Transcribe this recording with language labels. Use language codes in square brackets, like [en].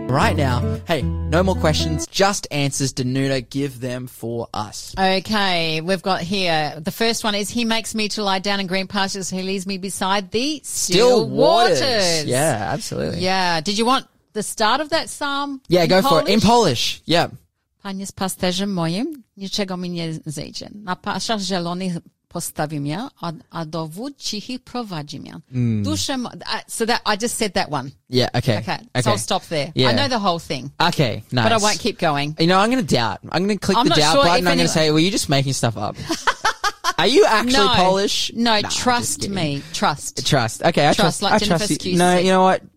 [en] Right now, hey, no more questions, just answers. Danuta, give them for us. Okay, we've got here, the first one is, he makes me to lie down in green pastures, he leads me beside the still waters. Yeah, absolutely. Yeah, did you want the start of that psalm? Yeah, go for it. In Polish, yeah. [pl] Panie pasterzem moim, niczego mi nie zejdzie. Na pastwach zielonych postawi mnie, a do wód cichych prowadzi mnie. [en] Dusze, so that, I just said that one. Yeah, okay. Okay, so I'll stop there. Yeah. I know the whole thing. Okay, nice. But I won't keep going. You know, I'm going to doubt. I'm going to click button. I'm going to say, well, you're just making stuff up. Are you actually Polish? No, trust me. Trust. Trust. Okay, I trust you. No, you know what?